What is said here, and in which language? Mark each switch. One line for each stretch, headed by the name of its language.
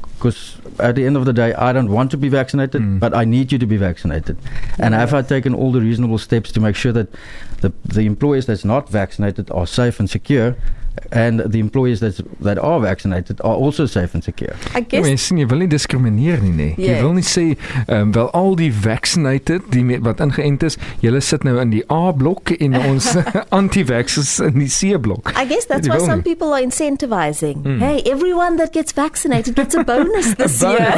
English: Because at the end of the day, I don't want to be vaccinated, but I need you to be vaccinated. And have I taken all the reasonable steps to make sure that the employees that's not vaccinated are safe and secure, and the employees that are vaccinated are also safe and secure? I guess...
Afrikaans: Mensen, jy wil nie discrimineer nie, nee. Jy wil nie sê, wel, al die vaccinated, die wat ingeënt is, jylle sit nou in die A-blok en ons anti-vaxxers in die C-blok.
English: I guess that's why some people are incentivizing. Hey, everyone that gets vaccinated gets a bonus this year.